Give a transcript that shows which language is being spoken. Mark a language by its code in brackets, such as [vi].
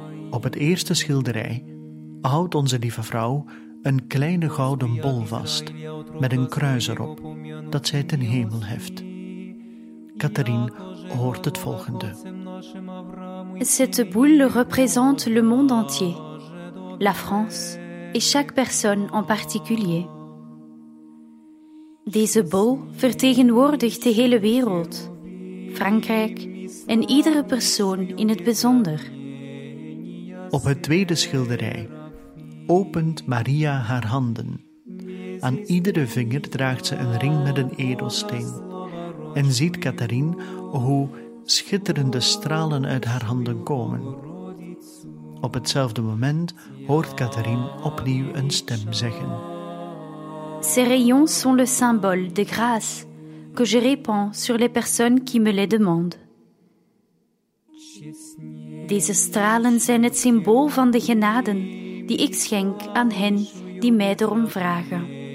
[nl] Op het eerste schilderij houdt onze lieve vrouw een kleine gouden bol vast met een kruis erop dat zij ten hemel heft. Catharien hoort het volgende. [fr] Cette boule représente le monde entier, la France et chaque personne en particulier. [nl] Deze bol vertegenwoordigt de hele wereld, Frankrijk en iedere persoon in het bijzonder. Op het tweede schilderij opent Maria haar handen. Aan iedere vinger draagt ze een ring met een edelsteen. En ziet Catharien hoe schitterende stralen uit haar handen komen. Op hetzelfde moment hoort Catharien opnieuw een stem zeggen. [fr] Ces rayons sont le symbole de grâce que je répands sur les personnes qui me les demandent. [nl] Deze stralen zijn het symbool van de genade die ik schenk aan hen die mij erom vragen.